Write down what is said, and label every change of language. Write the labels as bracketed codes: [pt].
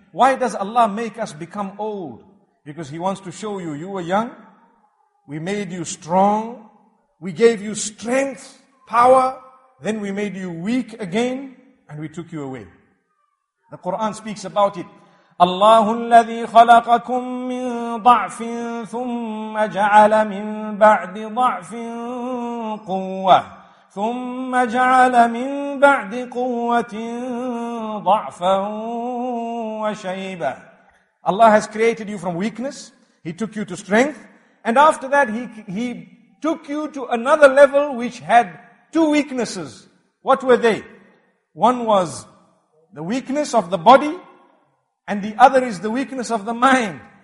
[en] Why does Allah make us become old? Because He wants to show you, you were young, we made you strong, we gave you strength, power, then we made you weak again, and we took you away. The Quran speaks about it. [ar] الله الذي خلقكم من ضعف ثم جعل من بعد ضعف قوة ثم جعل من بعد قوة ضعفا وشيبة. [en] Allah has created you from weakness. He took you to strength. And after that, He took you to another level which had two weaknesses. What were they? One was the weakness of the body, and the other is the weakness of the mind.